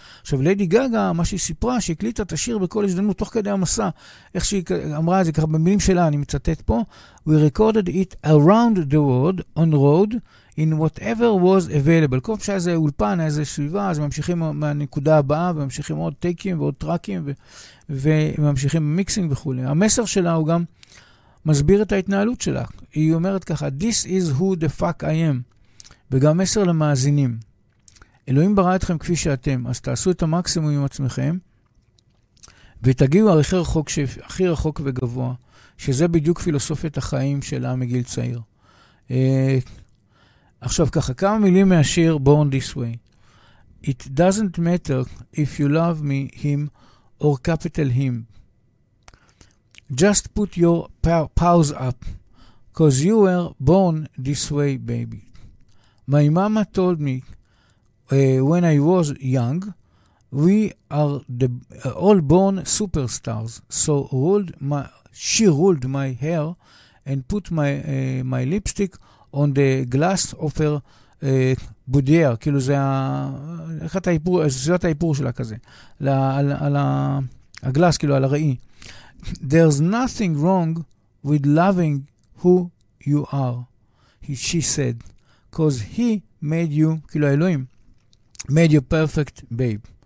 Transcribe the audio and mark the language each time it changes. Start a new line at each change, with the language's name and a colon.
Hebrew: עכשיו, לידי גאגא, מה שהיא סיפרה, שהיא הקליטה את השיר בכל הזדמנות, תוך כדי המסע, איך שהיא אמרה את זה, ככה במילים שלה, אני מצטט פה,
English: We recorded it around the world, on road, in whatever was available.
Hebrew: כל פעם שהיה איזה אולפן, איזה סביבה, אז ממשיכים מהנקודה הבאה, וממשיכים עוד טייקים ועוד טראקים, וממשיכים מיקסינג וכולי. המסר שלה הוא גם מסביר את ההתנהלות שלה. היא אומרת ככה,
English: This is who the fuck I am.
Hebrew: וגם מסר למאזינים. אלוהים ברא אתכם כפי שאתם, אז תעשו את המקסימום עם עצמכם, ותגיעו הכי רחוק, הכי רחוק וגבוה, שזה בדיוק פילוסופית החיים שלה מגיל צעיר. עכשיו ככה, כמה מילים מהשיר Born This Way.
English: It doesn't matter if you love me, him, or capital him. Just put your paws up, because you were born this way, baby. My mama told me, when I was young, we are the all born superstars. So she rolled my hair and put my lipstick on the glass of her boudoir.
Hebrew: כאילו זה אחת האיפור, סביבת האיפור שלה כזה. על הגלאס, כאילו על הראי.
English: There's nothing wrong with loving who you are, she said, because he made you,
Hebrew: כאילו האלוהים,
English: made you perfect, babe.